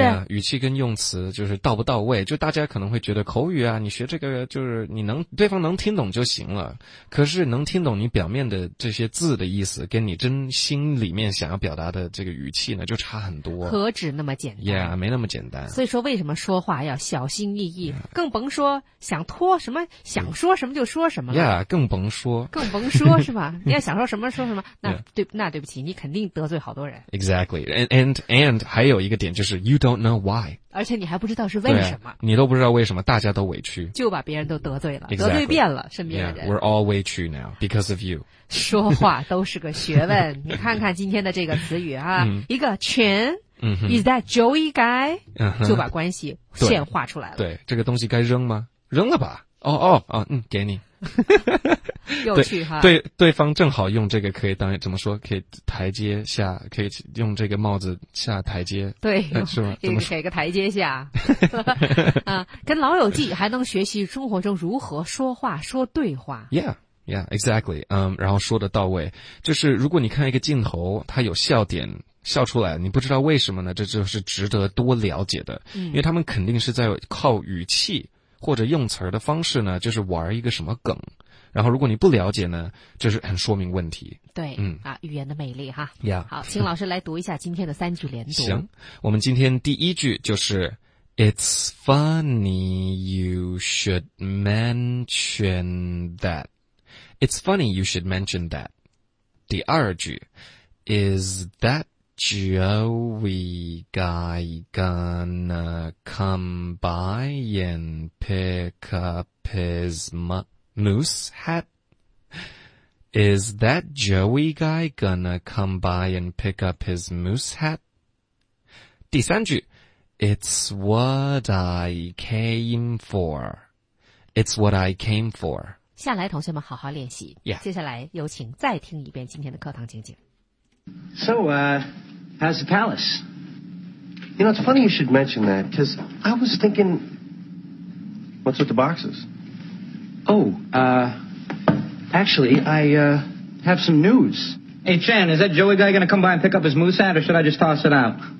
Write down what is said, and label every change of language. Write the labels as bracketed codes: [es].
[en] yeah, [zh] 语气跟用词就是到不到位，就大家可能会觉得口语啊，你学这个就是你能对方能听懂就行了，可是能听懂你表面的这些字的意思跟你真心里面想要表达的这个语气呢就差很多，何止那么简单 [en] yeah, [zh] 没那么简单。所以说为什么说话要小心翼翼、 [en] yeah. [zh] 更甭说想拖什么想想说什么就说什么了。 [en] Yeah, [zh] 更甭说。更甭说是吧，你要想说什么说什么，那、 [en] yeah. [zh] 对，那对不起，你肯定得罪好多人。 [en] Exactly. And [zh] 还有一个点就是 [en] you don't know why. [zh] 而且你还不知道是为什么。你都不知道为什么大家都委屈。就把别人都得罪了。 [en] Exactly. [zh] 得罪遍了身边的人。 [en] Yeah, we're all [zh] 委屈 [en] now, because of you. [zh] 说话都是个学问。你看看今天的这个词语啊。一个全。 [en] Is that Joey guy?、 Uh-huh, [zh] 就把关系线画出来了。对，这个东西该扔吗？扔了吧。哦哦哦，嗯，给你。有趣哈。对方正好用这个可以当，怎么说，可以台阶下，可以用这个帽子下台阶。对、是吗，怎么给个台阶下。跟老友记还能学习生活中如何说话说对话。 [en] Yeah, exactly. [zh] 然后说的到位。就是如果你看一个镜头它有笑点。笑出来，你不知道为什么呢？这就是值得多了解的，因为他们肯定是在靠语气或者用词的方式呢，就是玩一个什么梗。然后如果你不了解呢，就是很说明问题。对，语言的魅力哈。 Yeah. 好，请老师来读一下今天的三句连读。行，我们今天第一句就是 [en] ，It's funny you should mention that. It's funny you should mention that. [zh] 第二句 [en] ，Is that? Joey guy gonna come by and pick up his moose hat? Is that Joey guy gonna come by and pick up his moose hat? [zh] 第三句 [en] It's what I came for. It's what I came for. [zh] 下来同学们好好练习、 yeah. 接下来有请再听一遍今天的课堂情景。 [en] So, How's the palace? You know, it's funny you should mention that, because I was thinking... What's with the boxes? Oh, actually, I have some news. Hey, Chan, is that Joey guy going to come by and pick up his moose hat, or should I just toss it out?